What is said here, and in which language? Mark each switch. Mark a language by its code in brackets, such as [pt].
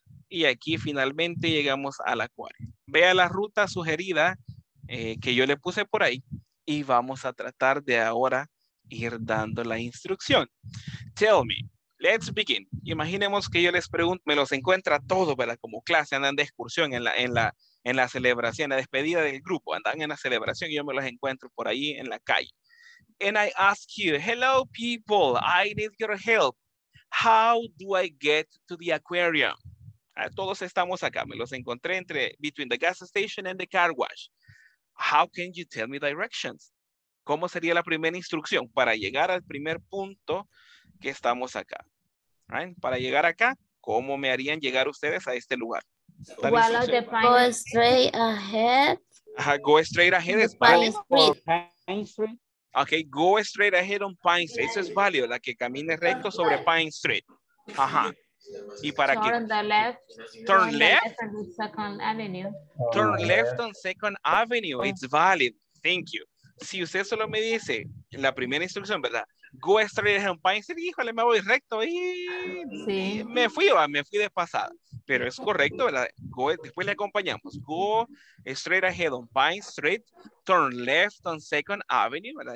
[es] Y aquí finalmente llegamos al acuario. Vea la ruta sugerida que yo le puse por ahí y vamos a tratar de ahora ir dando la instrucción. [en] Tell me. Let's begin. [es] Imaginemos que yo les pregunto, me los encuentra todos, ¿verdad? Como clase, andan de excursión en la celebración, en la despedida del grupo, andan en la celebración y yo me los encuentro por ahí en la calle. [en] And I ask you, hello people, I need your help. How do I get to the aquarium? [es] Todos estamos acá, me los encontré entre, [en] between the gas station and the car wash. How can you tell me directions? [es] ¿Cómo sería la primera instrucción para llegar al primer punto que estamos acá, right? Para llegar acá, ¿cómo me harían llegar ustedes a este lugar? [en] Go straight ahead. [es] Ajá, [en] go straight ahead es [es] válido. [en] Okay, go straight ahead on Pine Street. [es] Eso es válido, la que camine recto sobre Pine Street. Ajá. ¿Y para [en] turn [es] qué? [en] The left. Turn left. Second Avenue. Turn left on Second Avenue. It's valid. Thank you. [es] si usted solo me dice la primera instrucción, ¿verdad? [en] Go straight ahead and find it. [es] Híjole, me voy recto y sí. me fui de pasada. Pero es correcto, ¿verdad? Go, después le acompañamos. [en] Go straight ahead on Pine Street, turn left on Second Avenue, [es] ¿verdad?